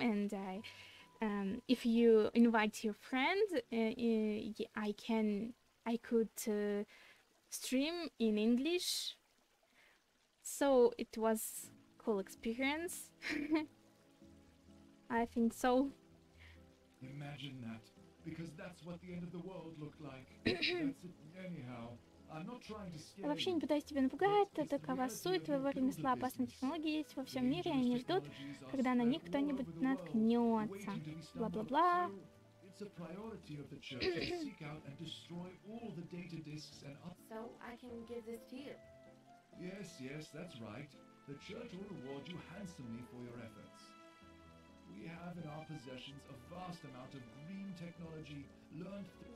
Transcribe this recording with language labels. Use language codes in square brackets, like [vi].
[en] And I, if you invite your friend, I could stream in English. So it was cool experience. I think so. Imagine that, because that's what the end of the world looked like. Anyhow, I'm not trying to scare you. [ru] Вообще не пытаюсь тебя напугать. Такова суть твоего ремесла. Опасные технологии есть во всем мире, и они ждут, когда на них кто-нибудь наткнется. Бла-бла-бла. [en] It's a priority of the church to seek out and destroy all the data disks and other... So I can give this to you. Yes, yes, that's right. The church will reward you handsomely for your efforts. We have in our possessions a vast amount of green technology learned through...